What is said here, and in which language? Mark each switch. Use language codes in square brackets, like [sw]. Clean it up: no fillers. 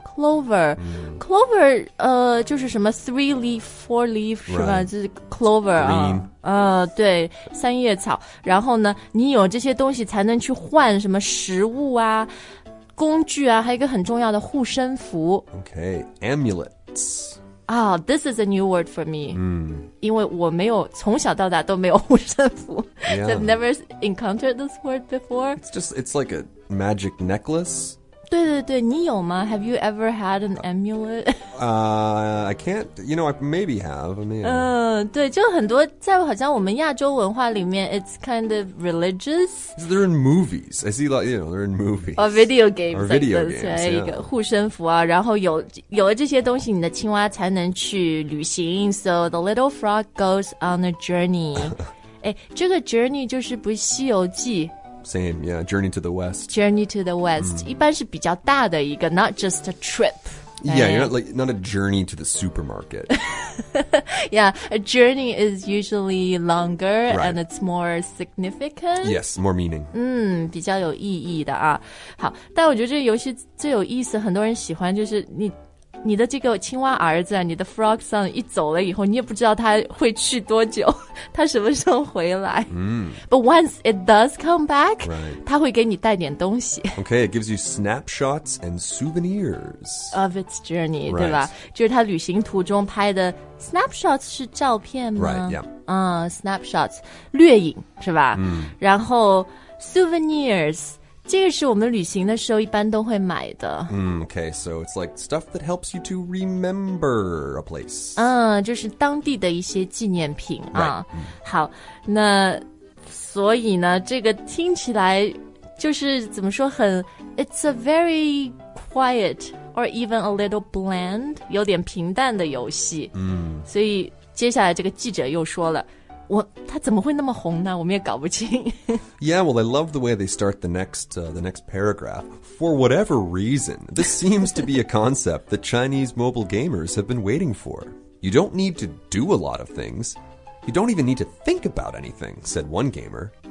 [en] Clover,、mm. clover, [zh] 就是什么 [en] three leaf, four leaf,、 right. [zh] 是吧？就是 clover 啊，对，三叶草。然后呢，你有这些东西才能去换什么食物啊、工具啊，还有一个很重要的护身符。 [en] Okay, amulets. Ah,、oh, this is a new word for me. [zh] 因为我没有从小到大都没有护身符、 [en] yeah. I've never encountered this word before. It's like a magic necklace. [zh] 对对对，你有吗 [en] ？Have you ever had an amulet? I can't. You know, I maybe have. I mean, [zh] 对，就很多在好像我们亚洲文化里面 ， [en] it's kind of religious. They're in movies. I see, like, you know, they're in movies. Or video games. Or video like this, games. [zh] 一个护身符啊，然后有了这些东西，你的青蛙才能去旅行。 [en] So the little frog goes on a journey. [zh] 哎，这个 journey 就是不《西游记》。 [en] Same, yeah. Journey to the West. Journey to the West.、Mm. [zh] 一般是比较大的一个 [en] not just a trip.、Right? Yeah, you're not like not a journey to the supermarket. Yeah, a journey is usually longer、 right. and it's more significant. Yes, more meaning. [zh] 比较有意义的啊。好，但我觉得这个游戏最有意思，很多人喜欢就是你的这个青蛙儿子、啊、你的 frog son 一走了以后，你也不知道他会去多久，他什么时候回来。 [en] But once it does come back,、 right. [zh] 他会给你带点东西。 [en] Okay, it gives you snapshots and souvenirs. Of its journey,、 right. [zh] 对吧？就是他旅行途中拍的 snapshots 是照片吗 [en] ？Right, yeah. [zh] Snapshots, 掠影是吧、 mm. 然后 souvenirs,这个是我们旅行的时候一般都会买的。 [en] Okay, so it's like stuff that helps you to remember a place. [zh] 就是当地的一些纪念品啊。 [en] Right. [zh] 好，那所以呢，这个听起来就是怎么说很 ， [en] it's a very quiet or even a little bland, [zh] 有点平淡的游戏。所以接下来这个记者又说了。他怎么会那么红呢？我们也搞不清。 [en] Yeah, well, I love the way they start the next paragraph. For whatever reason, this seems to be a concept that Chinese mobile gamers have been waiting for. You don't need to do a lot of things. You don't even need to think about anything, said one gamer.